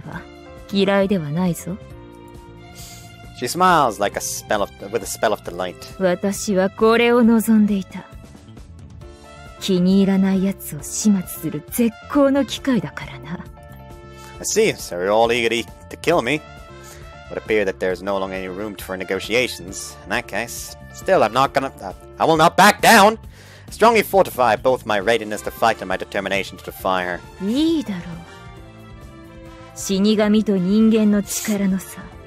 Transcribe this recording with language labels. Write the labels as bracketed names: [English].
[Japanese] 愚かなやつだ。だが、歯向かおうとするその心構えは嫌いではないぞ。 [English] She smiles like a spell of, with a spell of delight. [Japanese] 私はこれを望んでいた。気に入らない奴を始末する絶好の機会だからな。 [English] I see, so you're all eager to kill me. It appears that there's no longer any room for negotiations. In that case, still, I will not back down! I strongly fortify both my readiness to fight and my determination to defy her. [Japanese] いいだろう。死神と人間の力の差。